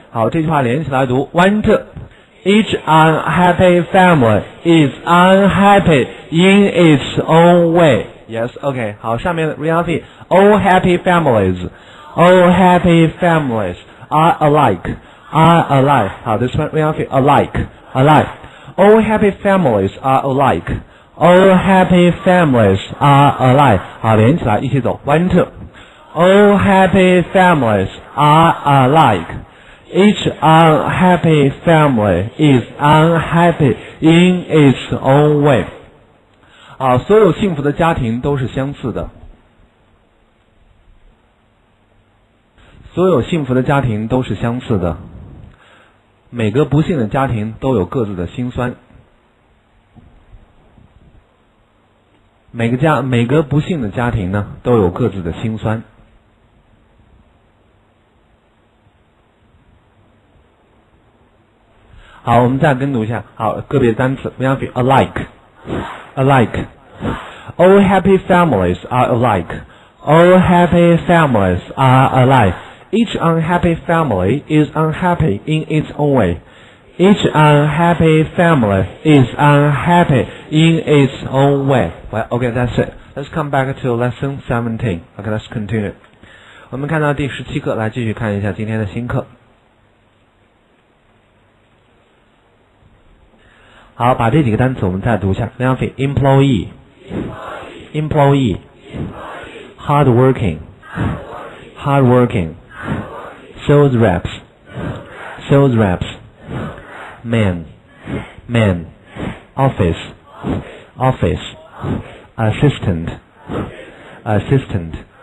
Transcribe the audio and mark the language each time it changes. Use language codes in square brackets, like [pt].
[zh] 好，这句话连起来读 ， [en] one, two. Each unhappy family is unhappy in its own way. Yes, okay. [zh] 好，下面 [en] reality, all happy families. All happy families are alike, are alike. [zh] 好，这是 [en] reality, alike, alike. All happy families are alike. All happy families are alike. [zh] 好，连起来一起走。 [en] One, two. All happy families are alike. Each unhappy family is unhappy in its own way. [zh] 好，所有幸福的家庭都是相似的。所有幸福的家庭都是相似的，每个不幸的家庭都有各自的辛酸，每个不幸的家庭呢都有各自的辛酸。好，我们再跟读一下。好，个别单词 [en] alike alike. All happy families are alike. All happy families are alikeEach unhappy family is unhappy in its own way. Each unhappy family is unhappy in its own way. Well, okay, that's it. Let's come back to lesson 17. Okay, let's continue. [zh] 我们看到第十七课，来继续看一下今天的新课。好，把这几个单词我们再读一下。 [en] Employee, employee, employee, hardworking, hardworking. Sales reps, sales reps, man, man, office, office, assistant, assistant.